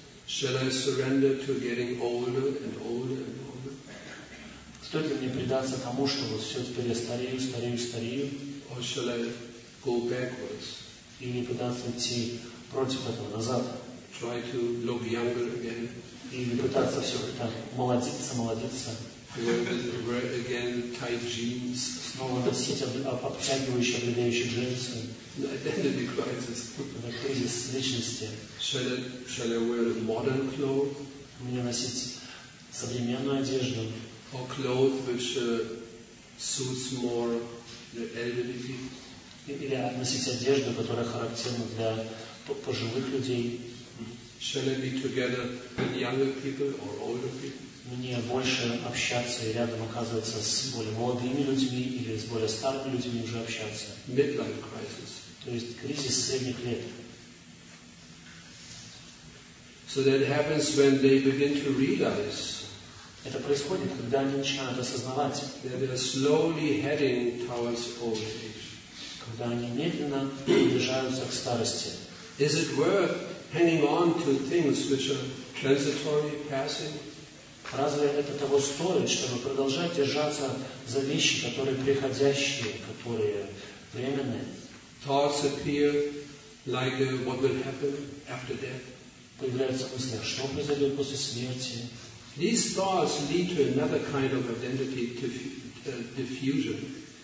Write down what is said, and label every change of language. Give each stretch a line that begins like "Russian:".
English: Shall I surrender to getting older and older and older?
Russian: Стоит ли мне предаться тому, что вот все теперь я старею, старею, старею?
English: Or shall I go backwards?
Russian: Или пытаться идти против этого, назад?
English: Try to look younger again?
Russian: Или пытаться все это молодиться, молодиться?
English: Wear again tight jeans?
Russian: Снова носить обтягивающие, облегающие джинсы?
English: Identity crisis.
Russian: Это кризис личности.
English: Shall I wear modern clothes?
Russian: Мне носить современную одежду?
English: Or clothes which suits more the elderly people.
Russian: Или относить одежду, которая характерна для пожилых людей.
English: Shall I be together with younger people or older people?
Russian: Мне больше общаться и рядом оказываться с более молодыми людьми или с более старыми людьми уже общаться.
English: Midlife crisis.
Russian: То есть кризис средних лет.
English: So that happens when they begin to realize.
Russian: Это происходит, когда они начинают осознавать,
English: that they are slowly heading towards old age.
Russian: Когда они медленно приближаются к старости.
English: Is it worth hanging on to things which are transitory, passing?
Russian: Разве это того стоит, чтобы продолжать держаться за вещи, которые приходящие, которые временные?
English: Thoughts appear like what will happen after death.
Russian: Появляются мысли, что произойдет после смерти.
English: These thoughts lead to another kind of identity diffusion.